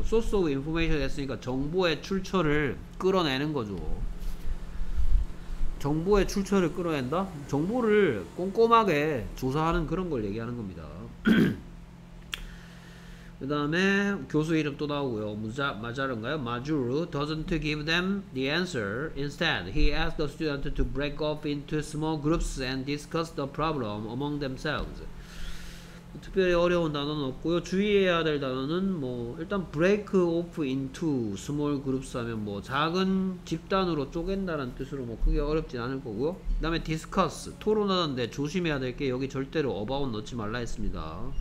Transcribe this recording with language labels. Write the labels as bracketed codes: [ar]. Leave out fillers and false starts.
[en] source of information [ko] 했으니까 정보의 출처를 끌어내는 거죠. 정보의 출처를 끌어낸다? 정보를 꼼꼼하게 조사하는 그런 걸 얘기하는 겁니다. 그 다음에 교수 이름 또 나오고요. 마자른가요? [en] Majuru doesn't give them the answer. Instead, he asks the student to break off into small groups and discuss the problem among themselves. [ko] 특별히 어려운 단어는 없고요. 주의해야 될 단어는 뭐 일단 [en] break off into small groups [ko] 하면 뭐 작은 집단으로 쪼갠다는 뜻으로 뭐 크게 어렵진 않을 거고요. 그 다음에 discuss, 토론하는데 조심해야 될게 여기 절대로 about 넣지 말라 했습니다.